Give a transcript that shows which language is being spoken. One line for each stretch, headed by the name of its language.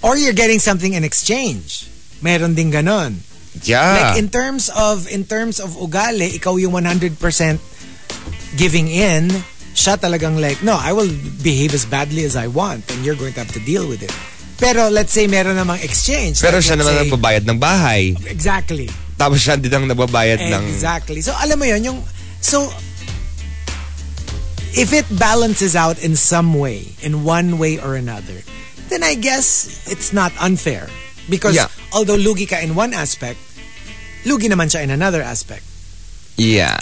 English: or you're getting something in exchange,
Filipino: meron ding ganon.
English: Yeah. Like in terms of ugali,
Filipino: ikaw yung
English: 100% giving in, siya talagang like, no, I will behave as badly as I want and you're going to have to deal with it.
Filipino: Pero
English: let's say
Filipino: meron namang exchange. Pero like, siya naman ang babayad ng bahay.
English: Exactly.
Filipino: Tapos siya din ang nababayad ng...
English: Exactly. So
Filipino: alam mo yun, yung...
English: So, if it balances out in some way, in one way or another, then I guess it's not unfair. Because although
Filipino: lugi ka
English: in one aspect,
Filipino: lugi naman siya
English: in another aspect. Yeah.